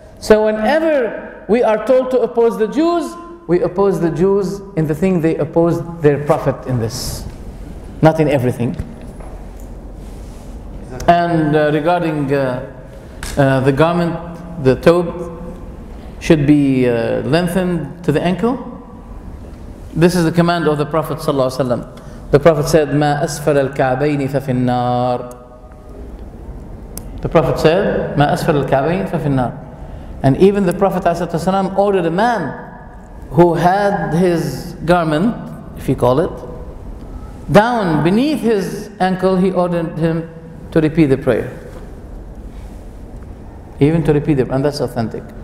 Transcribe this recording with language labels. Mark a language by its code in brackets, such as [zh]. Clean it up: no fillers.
[en] So whenever we are told to oppose the Jews, we oppose the Jews in the thing they opposed their prophet in this. Not in everything. And regarding the garment, the tobe should be lengthened to the ankle. This is the command of the Prophet ﷺ. The Prophet said, [ar] مَا أَسْفَلَ الْكَعْبَيْنِ فَفِي النَّارِ. [en] The Prophet said, [ar] مَا أَسْفَلَ الْكَعْبَيْنِ فَفِي النَّارِ. [en] And even the Prophet ﷺ ordered a man who had his garment, if you call it, down beneath his ankle, he ordered him to repeat the prayer. Even to repeat it, and that's authentic.